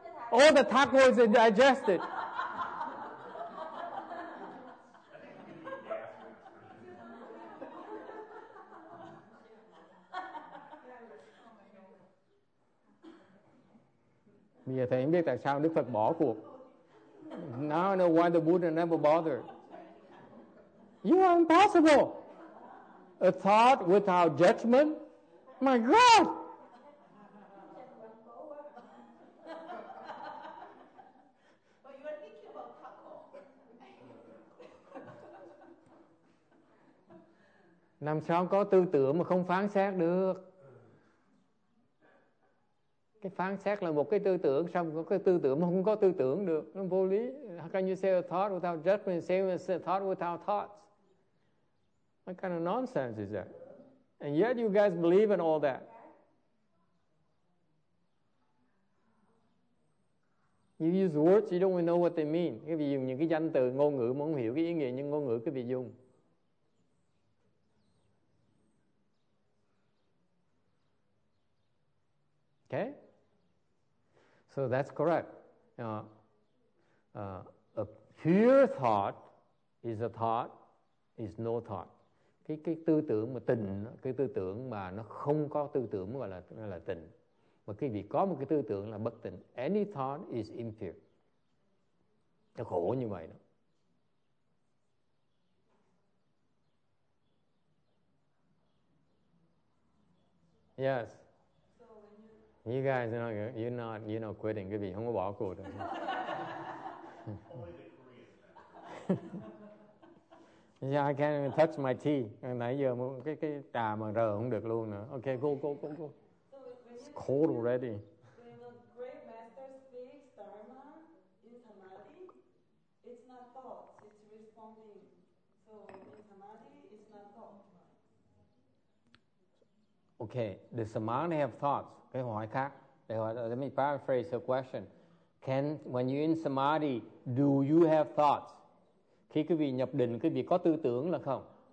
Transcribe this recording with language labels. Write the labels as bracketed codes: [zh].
[en] All the tacos are digested. [vi] Bây giờ thầy không biết tại sao Đức Phật bỏ cuộc. [en] Now I know why the Buddha never bothered. You are impossible. A thought without judgment? My God! But you are thinking about taco. [vi] Làm sao có tư tưởng mà không phán xét được? Cái phán xét là một cái tư tưởng, xong có cái tư tưởng mà không có tư tưởng được, nó vô lý. [en] How can you say a thought without judgment, same as a thought without thoughts? What kind of nonsense is that? And yet you guys believe in all that. You use words, you don't even know what they mean. [vi] Quý vị dùng những cái danh từ ngôn ngữ mà không hiểu cái ý nghĩa những ngôn ngữ quý vị dùng. [en] Okay? So that's correct. A pure thought is a thought, is no thought. [vi] Cái tư tưởng mà tình, cái tư tưởng mà nó không có tư tưởng mà là tình. Mà khi vì có một cái tư tưởng là bất tình. [en] Any thought is impure. [vi] Nó khổ như vậy đó. [en] Yes. You guys, you're not quitting. [vi] Quý vị không có bỏ cuộc được. [en] Yeah, I can't even touch my tea. [vi] Nãy giờ cái trà mà rờ không được luôn nữa. [en] Okay, go. So it's cold already. When the great master speaks dharma in samadhi, it's not thoughts, it's responding. So in samadhi, it's not thoughts. Okay, does samadhi have thoughts? [vi] Cái hỏi khác. [en] Let me paraphrase her question. Can, when you're in samadhi, do you have thoughts? [vi] Khi quý vị nhập định, quý vị có tư tưởng là không?